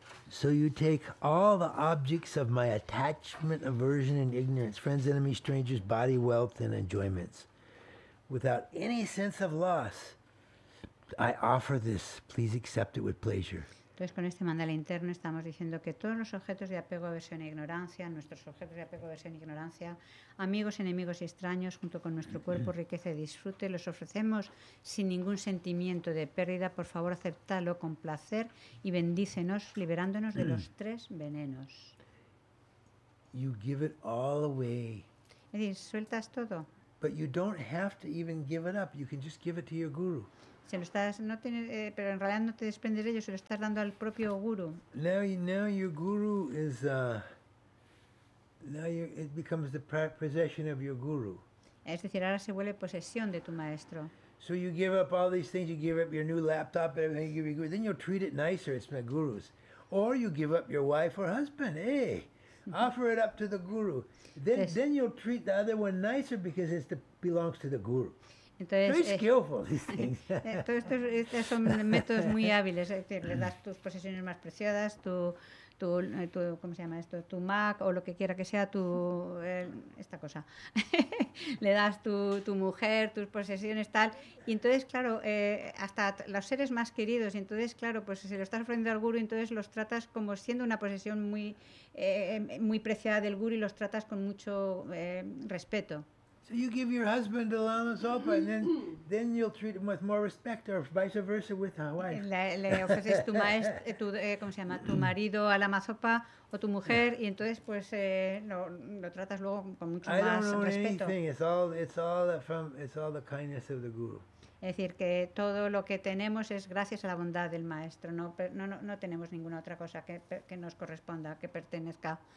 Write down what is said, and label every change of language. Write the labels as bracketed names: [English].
[English] So you take all the objects of my attachment, aversion, and ignorance, friends, enemies, strangers, body, wealth, and enjoyments. Without any sense of loss, I offer this. Please accept it with pleasure. [Spanish] Entonces, con este mandala interno estamos diciendo que todos los objetos de apego, aversión e ignorancia, nuestros objetos de apego, aversión e ignorancia, amigos, enemigos y extraños, junto con nuestro cuerpo, riqueza y disfrute, los ofrecemos sin ningún sentimiento de pérdida. Por favor, acéptalo con placer y bendícenos, liberándonos de los tres venenos. [English] You give it all away. [Spanish] Es decir, sueltas todo. [English] But you don't have to even give it up. You can just give it to your guru. [Spanish] Se lo estás, no tiene, pero en realidad no te desprendes de ello, se lo estás dando al propio guru. [English] Now your guru is now it becomes the possession of your guru. [Spanish] Es decir, ahora se vuelve posesión de tu maestro. [English] So you give up all these things, you give up your new laptop, and you give your guru. Then you'll treat it nicer. It's my guru's. Or you give up your wife or husband. Hey, offer it up to the guru. Then you'll treat the other one nicer because it belongs to the guru. [Spanish] Entonces, [English] very skillful, these things. [Spanish] Todos estos son métodos muy hábiles. Le das tus posesiones más preciadas, tu ¿cómo se llama esto? Tu Mac o lo que quiera que sea, esta cosa. Le das tu mujer, tus posesiones, tal. Y entonces, claro, hasta los seres más queridos. Y entonces, claro, pues se lo estás ofreciendo al guru, entonces los tratas como siendo una posesión muy, muy preciada del guru y los tratas con mucho respeto. [English] So you give your husband to Lama Zopa, and then you'll treat him with more respect, or vice versa with a wife. [Spanish] Le ofreces tu maestro, ¿cómo se llama? Tu marido a Lama Zopa o tu mujer, y entonces pues lo tratas luego con mucho más respeto. [English] I don't know anything. It's all the kindness of the guru. [Spanish] Es decir, que todo lo que tenemos es gracias a la bondad del maestro. No tenemos ninguna otra cosa que nos corresponda, que pertenezca